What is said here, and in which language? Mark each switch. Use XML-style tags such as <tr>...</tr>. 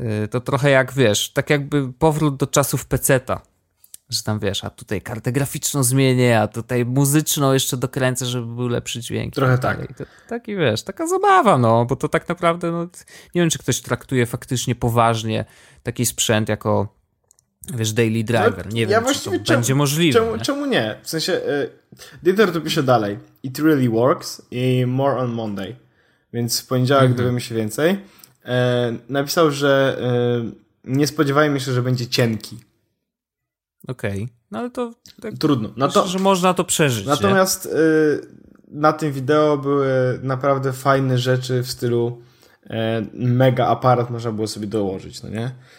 <pl>To trochę jak, wiesz, tak jakby powrót do czasów peceta, że tam, wiesz, a tutaj kartę graficzną zmienię, a tutaj muzyczną jeszcze dokręcę, żeby był lepszy dźwięk. Trochę tak. Taki, wiesz, taka zabawa, no, bo to tak naprawdę, no, nie wiem, czy ktoś traktuje faktycznie poważnie taki sprzęt jako, wiesz, daily driver. Nie ja wiem, czy to będzie możliwe. Czemu nie? W sensie, Dieter to pisze dalej.</pl> <en>It really works i more on Monday.</en> <pl>Więc w poniedziałek dowiemy się więcej. Napisał, że nie spodziewajmy się, że będzie cienki. Okej. Okay. No ale to... Tak trudno. Myślę, że można to przeżyć. Natomiast na tym wideo były naprawdę fajne rzeczy w stylu mega aparat można było sobie dołożyć, no nie?</pl>